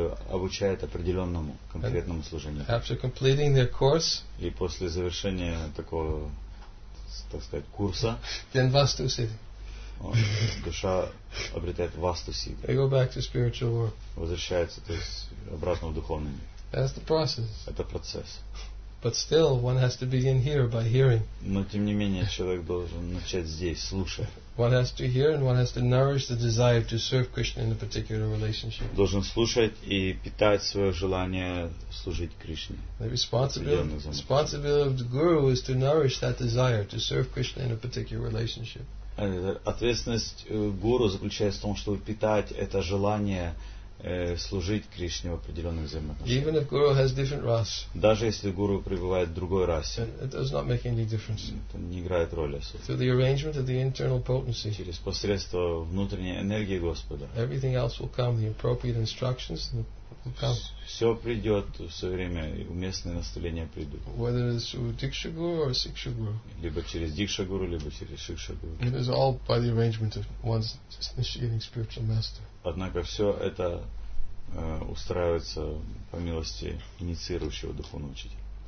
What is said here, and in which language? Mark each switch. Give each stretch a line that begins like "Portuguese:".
Russian: Обучает определенному конкретному служению.
English: After completing their course.
Russian: И после завершения такого, так сказать, курса.
English: Then vastu siddhi.
Russian: Душа обретает vastu siddhi.
English: They go back to spiritual work.
Russian: Возвращается, то есть, обратно в духовный мир.
English: That's the process.
Russian: Это процесс.
English: But still, one has to begin here by hearing.
Russian: Но тем не менее человек должен начать здесь, слушая.
English: One has to hear and one has to nourish the desire to serve Krishna in a particular relationship.
Russian: Должен слушать и питать свое желание служить Кришне.
English: The responsibility of the guru is to nourish that desire to serve Krishna in a particular relationship.
Russian: Ответственность гуру заключается в том, чтобы питать это желание служить Кришне в определенных взаимоотношениях.
English: Even if guru has different ras,
Russian: даже если гуру пребывает в другой расе,
English: it does not make any difference.
Russian: Это не играет роли.
English: Through the arrangement of the internal potency,
Russian: через посредство внутренней энергии Господа,
English: everything else will come, the appropriate instructions will come.
Russian: Все придет в свое время, уместные наставления придут.
English: Whether it's through Diksha Guru or Siksha Guru,
Russian: либо через Диксха Гуру, либо через Сикша Гуру.
English: It is all by the arrangement of one's initiating spiritual master.
Russian: Однако все это устраивается по милости инициирующего духовного учителя.